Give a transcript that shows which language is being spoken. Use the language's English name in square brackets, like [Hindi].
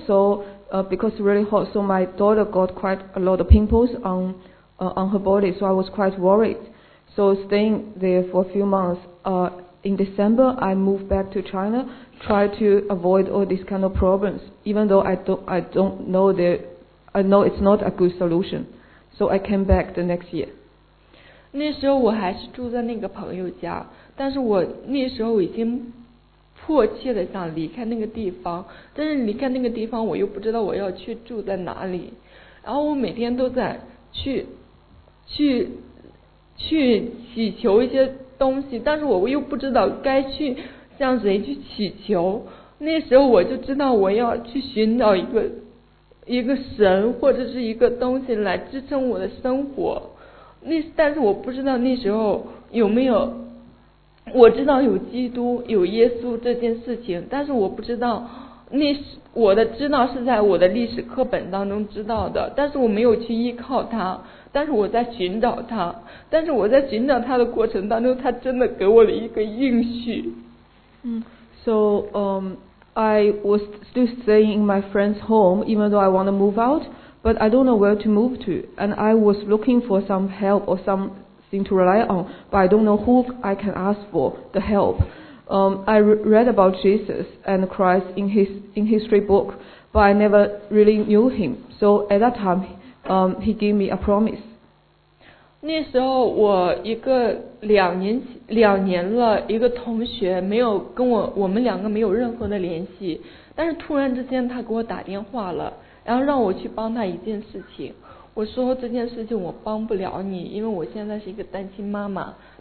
[English] So because it's really hot, so my daughter got quite a lot of pimples on her body. So I was quite worried. So staying there for a few months. In December, I moved back to China. Try to avoid all these kind of problems, even though I know it's not a good solution. So I came back the next year. [Chinese] 那时候我还是住在那个朋友家，但是我那时候已经迫切的想离开那个地方，但是离开那个地方我又不知道我要去住在哪里，然后我每天都在去祈求一些东西，但是我又不知道该去。向谁去祈求？那时候我就知道我要去寻找一个神或者是一个东西来支撑我的生活。但是我不知道那时候有没有，我知道有基督有耶稣这件事情，但是我不知道那我的知道是在我的历史课本当中知道的，但是我没有去依靠他，但是我在寻找他，但是我在寻找他的过程当中，他真的给我了一个应许。 [English] So I was still staying in my friend's home, even though I want to move out, but I don't know where to move to. And I was looking for some help or something to rely on, but I don't know who I can ask for the help. I read about Jesus and Christ in history book, but I never really knew him. So at that time, he gave me a promise. [Chinese] 那时候我一个两年了一个同学没有跟我们两个没有任何的联系，但是突然之间他给我打电话了，然后让我去帮他一件事情。我说这件事情我帮不了你，因为我现在是一个单亲妈妈。